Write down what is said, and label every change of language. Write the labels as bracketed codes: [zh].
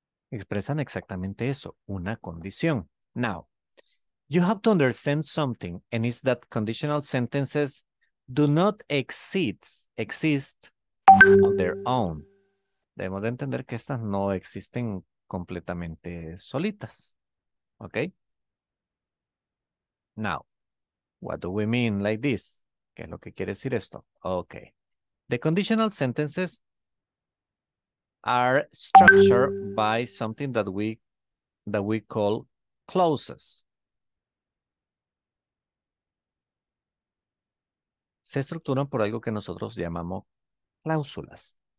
[es] Expresan exactamente eso, una condición. [en] Now, you have to understand something, and it's that conditional sentences do not exist on their own. [es] Debemos de entender que estas no existen completamente solitas. [en] Okay? Now, what do we mean like this? [es] ¿Qué es lo que quiere decir esto? [en] Okay. The conditional sentences are structured by something that we call clauses. [es] Se estructuran por algo que nosotros llamamos cláusulas.